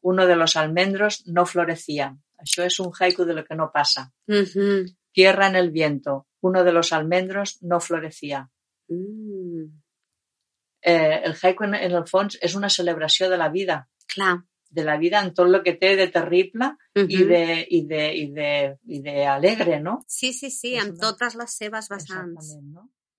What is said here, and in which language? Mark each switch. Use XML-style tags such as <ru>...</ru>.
<es>Uno de los almendros no florecía.</es> <ca>Això és un haiku de</ca> <es>lo que no pasa. Tierra en el viento. Uno de los almendros no florecía.</es> <ca>El haiku, en el fons, és una celebració de la vida. Clar. De la vida en tot el que té de terrible i de alegre, no? Sí, en totes les seves vessants. Exactament, no?</ca>